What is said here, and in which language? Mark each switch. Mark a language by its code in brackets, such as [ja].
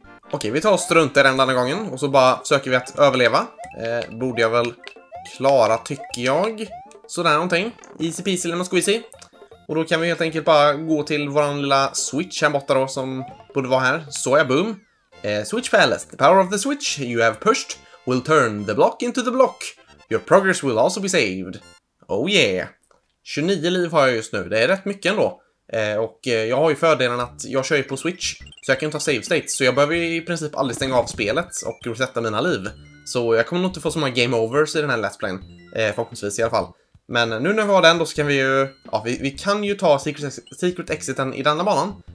[sv] Okej, vi tar oss runt i den andra gången. Och så bara försöker vi att överleva. Borde jag väl klara, tycker jag. Sådär någonting. [en] Easy peasy, lemon squeezy. [sv] Och då kan vi helt enkelt bara gå till våran lilla switch här borta då som borde vara här. Så ja, boom. Switch palace. [en] The power of the switch you have pushed will turn the block into the block. Your progress will also be saved. Oh yeah. [sv] 29 liv har jag just nu. Det är rätt mycket ändå. Och jag har ju fördelen att jag kör ju på switch. Så jag kan ta save state. Så jag behöver ju i princip aldrig stänga av spelet och resetta mina liv. Så jag kommer nog inte få så många game overs i den här let's playen. Förhoppningsvis i alla fall. Men nu när vi har den då så kan vi ju... Ja, vi kan ju ta secret exiten i denna banan.